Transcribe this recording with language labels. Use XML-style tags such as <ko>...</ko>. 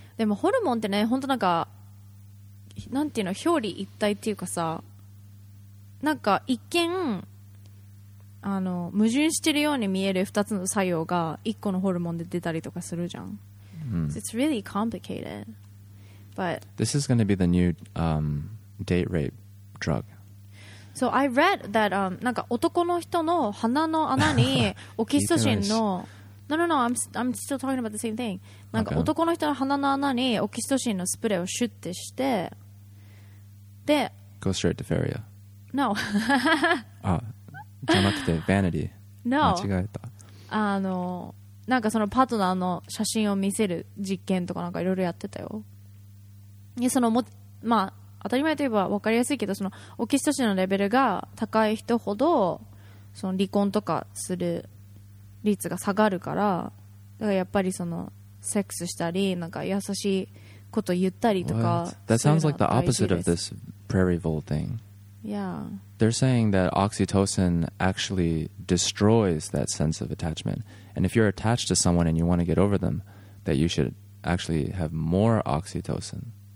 <ja>でもホルモンってね、本当なんかなんていうの、表裏一体っていうかさ、なんか一見あの矛盾してるように見える二つの作用が一個のホルモンで出たりとかするじゃん。 Mm.</ja> <en>So、it's really complicated. But this is going to be the new date rape drug. So I read that</en> <ja>なんか男の人の鼻の穴にオキシトシンの</ja> <en>No, I'm still talking about the same thing.</en> <ja>なんか男の人の鼻の穴にオキシトシンのスプレーをシュッてして、で、</ja> <en>Go straight to Faria. No.</en> <ja>あ、じゃなくて Vanity.</ja> <en>No.</en> <ja>間違えた。あの、なんかそのパートナーの写真を見せる実験とかなんかいろいろやってたよ。で、そのも、まあ、当たり前といえば分かりやすいけど、そのオキシトシンのレベルが高い人ほど、その離婚とかする。率が下がるから、だからやっぱりそのセックスしたりなんか優しいこと言ったりとか、</ja> <en>That sounds like the opposite of this prairie vole thing. Yeah. They're saying that oxytocin actually destroys that sense of attachment. And if you're attached to someone and you want to get over them, that you should actually have more oxytocin.</en>